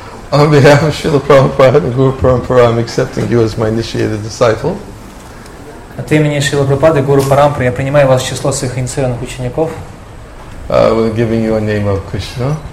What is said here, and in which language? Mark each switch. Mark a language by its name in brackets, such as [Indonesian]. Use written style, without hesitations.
[English] On behalf of Srila Prabhupada and Guru Parampara, I'm accepting you as my initiated disciple. [Russian] От имени Шрилы Прабхупады, Гуру Парампара, я принимаю вас в число своих инициированных учеников. [English] We're giving you a name of Krishna.